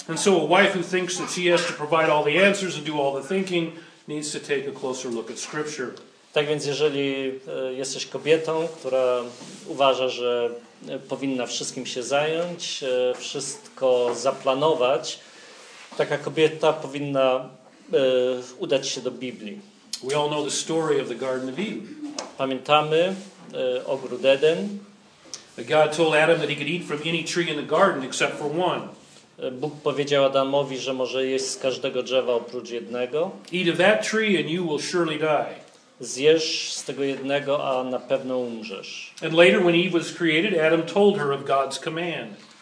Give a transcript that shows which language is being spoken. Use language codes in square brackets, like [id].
[en] And so a wife who thinks that she has to provide all the answers and do all the thinking needs to take a closer look at scripture. [pl] Tak więc jeżeli jesteś kobietą, która uważa, że powinna wszystkim się zająć, wszystko zaplanować, taka kobieta powinna udać się do Biblii. [en] We all know the story of the Garden of Eden. [pl] Pamiętamy ogród Eden. [en] God told Adam that he could eat from any tree in the garden except for one. [pl] Bóg powiedział Adamowi, że może jeść z każdego drzewa oprócz jednego. [en] Eat of that tree and you will surely die. [pl] Zjesz z tego jednego, a na pewno umrzesz. [en] And later when Eve was created, Adam told her of God's command.